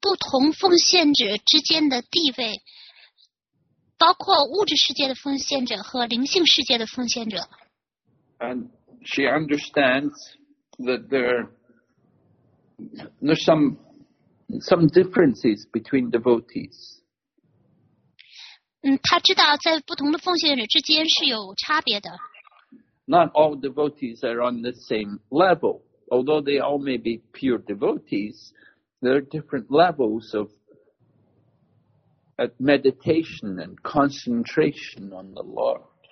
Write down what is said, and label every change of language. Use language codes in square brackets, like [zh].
[zh] 他现在就询问不同奉献者之间的地位, 包括物质世界的奉献者和灵性世界的奉献者。 [en] And she understands that there's some differences between devotees. [zh] 他知道在不同的奉献者之间是有差别的。 [en] Not all devotees are on the same level. Although they all may be pure devotees, there are different levels of meditation and concentration on the Lord.